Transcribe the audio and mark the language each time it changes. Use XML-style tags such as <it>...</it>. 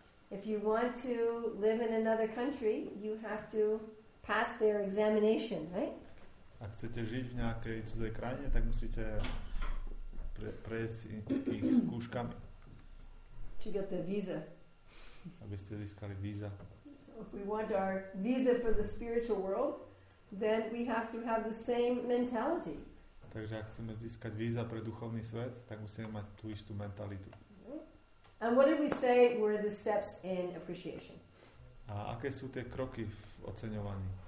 <en>If you want to live in another country, you have to pass their examination, right?</en> <sk>Ak chcete žiť v nejakej cudzej krajine, tak musíte prejsť ich skúškami.</sk> <en>To get the visa.</en> <sk>Aby ste získali víza.</sk> <en>So if we want our visa for the spiritual world, then we have to have the same mentality.</en> <sk>Takže ak chceme získať víza pre duchovný svet, tak musíme mať tú istú mentalitu.</sk> <en>And what did we say were the steps in appreciation?</en> <sk>A aké sú tie kroky v oceňovaní?</sk>